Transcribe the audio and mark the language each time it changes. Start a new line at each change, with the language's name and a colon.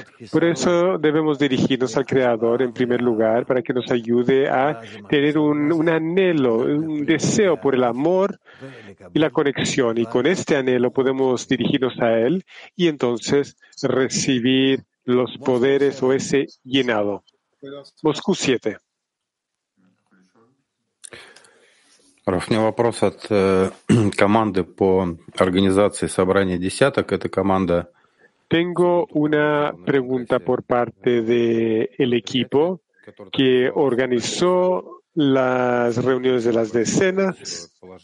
Spanish: Por eso debemos dirigirnos al Creador en primer lugar, para que nos ayude a tener un anhelo, un deseo por el amor y la conexión. Y con este anhelo podemos dirigirnos a Él y entonces recibir los poderes o ese llenado. Moscú 7.
Russian: Раф, мне вопрос от команды по организации собрания десяток. Это команда.
Spanish: Tengo una pregunta por parte del equipo que organizó las reuniones de las decenas.